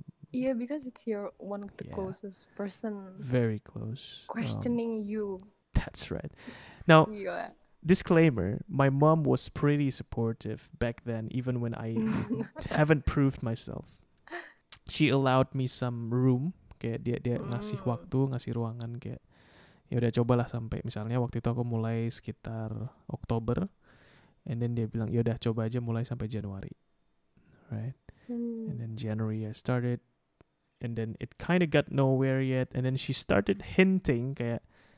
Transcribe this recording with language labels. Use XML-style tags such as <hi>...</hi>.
<en>Yeah, because it's your one of the closest person. Very close. Questioning you. That's right. Now, disclaimer, my mom was pretty supportive back then, even when I haven't proved myself. She allowed me some room,</en> <id>kayak dia ngasih waktu, ngasih ruangan, kayak ya udah cobalah sampai misalnya waktu itu aku mulai sekitar Oktober, and then dia bilang ya udah coba aja mulai sampai Januari.</id> <en>Right? And then January I started, and then it kind of got nowhere yet, and then she started hinting kayak</en>